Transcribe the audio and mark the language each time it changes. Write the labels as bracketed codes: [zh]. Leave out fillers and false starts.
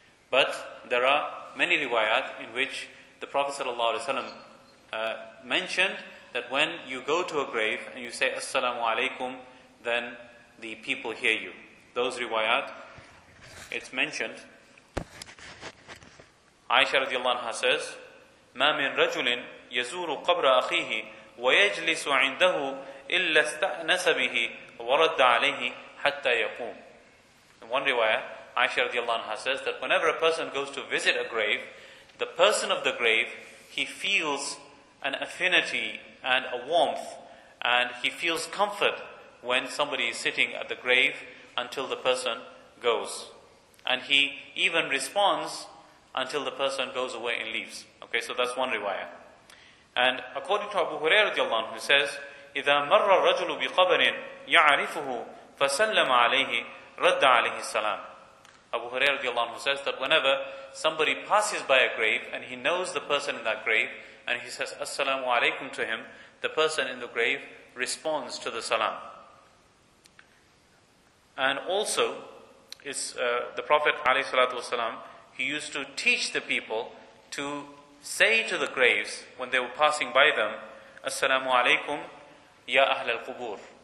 [en] But there are many riwayat in which the Prophet sallallahu alaihi wasallam mentioned that when you go to a grave and you say assalamu alaikum, then the people hear you. Those riwayat, it's mentioned. Aisha radiallahu anha says, [ar] ma min rajulin يزور قبر أخيه ويجلس عنده إلا استأنس به ورد عليه حتى يقوم. [en] In one riwayah, Aisha radiallahu anha says that whenever a person goes to visit a grave, the person of the grave, he feels an affinity and a warmth, and he feels comfort when somebody is sitting at the grave until the person goes. And he even responds until the person goes away and leaves. Okay, so that's one riwayah. And according to Abu Hurairah radiallahu anhu, he says, [ar] إِذَا مَرَّ الرَّجُلُ بِقَبَرٍ يَعْرِفُهُ فَسَلَّمَ عَلَيْهِ رَدَّ عَلَيْهِ السَّلَامِ. [en] Abu Hurairah radiallahu anhu says that whenever somebody passes by a grave and he knows the person in that grave and he says assalamu alaykum to him, the person in the grave responds to the salam. And also, it's, the Prophet alayhi salatu wasalam, he used to teach the people to say to the graves when they were passing by them, assalamu alaykum ya ahl al-qubur.